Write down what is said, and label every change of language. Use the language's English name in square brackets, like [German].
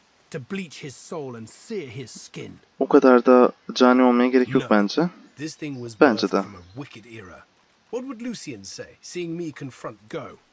[English] To bleach his soul and sear his skin. [Turkish] O kadar da cani olmaya gerek yok bence. Bence de. [English] From a wicked era. What would Lucian say, seeing me confront Go?